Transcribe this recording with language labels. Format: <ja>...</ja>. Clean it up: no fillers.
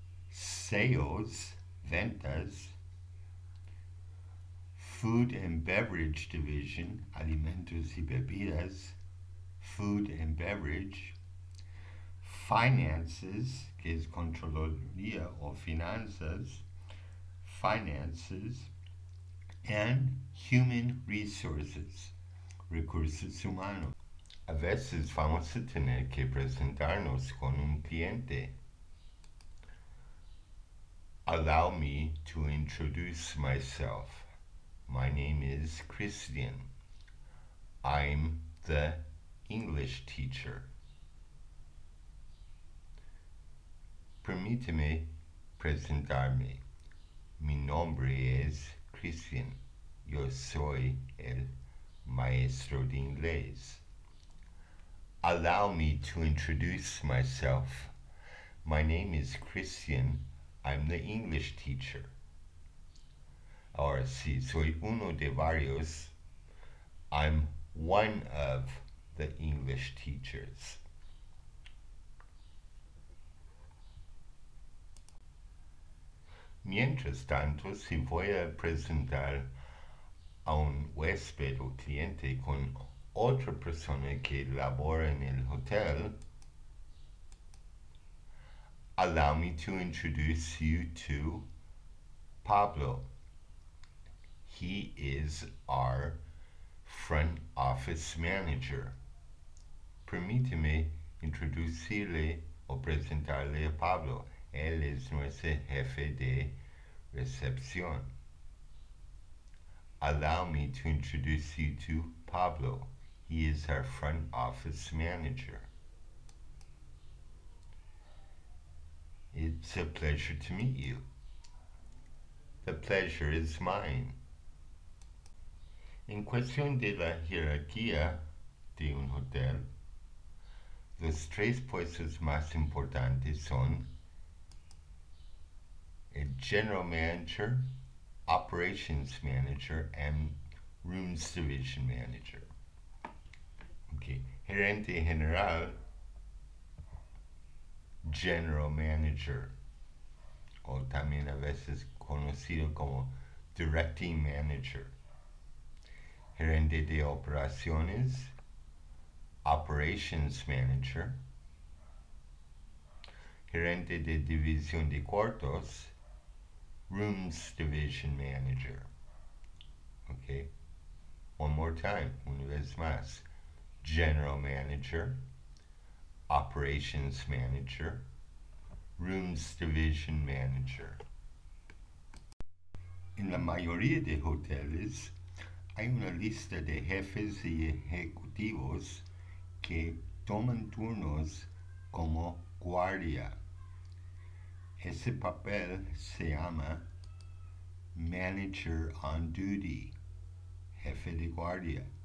<en>Sales,</en> <es>ventas,</es> <en>Food and Beverage Division,</en> <es>alimentos y bebidas,</es> <en>Food and Beverage, Finances,</en> <es>que es controlería o finanzas,</es> <en>Finances, and Human Resources.</en> <es>Recursos humanos. A veces vamos a tener que presentarnos con un cliente.</es> <en>Allow me to introduce myself. My name is Christian. I'm the English teacher.</en> <es>Permíteme presentarme. Mi nombre es Christian. Yo soy el maestro de inglés.</es> <en>Allow me to introduce myself. My name is Christian. I'm the English teacher.</en> <es>Ahora sí, soy uno de varios.</es> <en>I'm one of the English teachers.</en> <es>Mientras tanto, si voy a presentar a un huésped o cliente con otra persona que labora en el hotel,</es> <en>allow me to introduce you to Pablo. He is our front office manager.</en> <es>Permíteme introducirle o presentarle a Pablo. Él es nuestro jefe de recepción.</es> <en>Allow me to introduce you to Pablo. He is our front office manager. It's a pleasure to meet you. The pleasure is mine.</en> <es>En cuestión de la jerarquía de un hotel, los tres puestos más importantes son el</es> <en>general manager, operations manager and rooms division manager.</en> <es>Okay, gerente general, general manager, o también a veces conocido como directing manager. Gerente de operaciones, operations manager. Gerente de división de cuartos, rooms division manager.</es> <en>Okay, one more time,</en> <es>una vez más.</es> <en>General manager, operations manager, rooms division manager.</en> <es>En la mayoría de hoteles hay una lista de jefes y ejecutivos que toman turnos como guardia. Ese papel se llama Manager on Duty, jefe de guardia,</es>